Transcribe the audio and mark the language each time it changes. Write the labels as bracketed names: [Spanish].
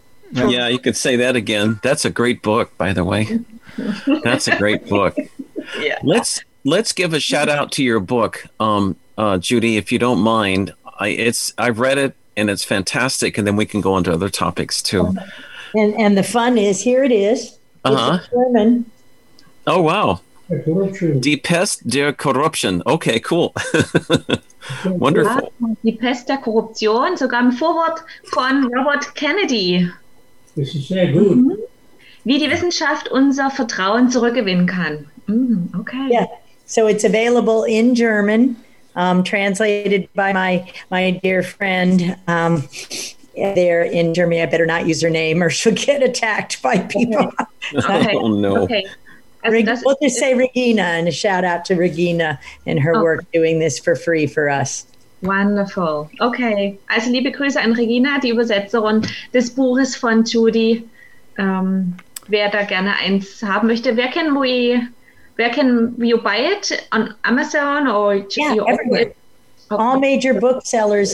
[English] Yeah, you could say that again. That's a great book, by the way. That's a great book. Yeah. Let's give a shout out to your book, Judy, if you don't mind. I've read it and it's fantastic, and then we can go on to other topics too. And the fun is, here it is. Uh-huh. German. Oh, wow. [German] Die Pest der Korruption. [English] Okay, cool. Wonderful. [German] Die Pest der Korruption, sogar ein Vorwort von Robert Kennedy. Das ist sehr gut. Mm-hmm. Wie die Wissenschaft unser Vertrauen zurückgewinnen kann. [English] Okay. Yeah, so it's available in German, translated by my dear friend there in Germany. I better not use her name or she'll get attacked by people. Okay. Oh, no. Okay. We'll just say Regina, and a shout out to Regina and her work doing this for free for us. Wonderful. Okay. [German] Also liebe Grüße an Regina, die Übersetzerin des Buches von Judy. Wer da gerne eins haben möchte. [English] Where can we buy it? On Amazon or everywhere. All major booksellers.